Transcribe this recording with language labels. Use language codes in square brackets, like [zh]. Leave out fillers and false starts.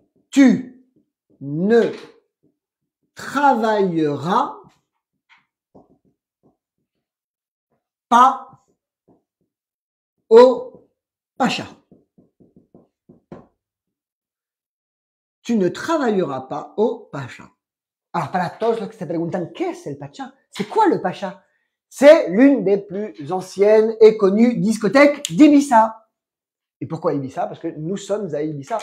[fr] Tu ne travailleras pas au Pacha. Tu ne travailleras pas au Pacha. [es] Alors, para todos los que se preguntan, ¿qué es el Pacha? [fr] C'est quoi le Pacha? C'est l'une des plus anciennes et connues discothèques d'Ibiza. Et pourquoi Ibiza? Parce que nous sommes à Ibiza.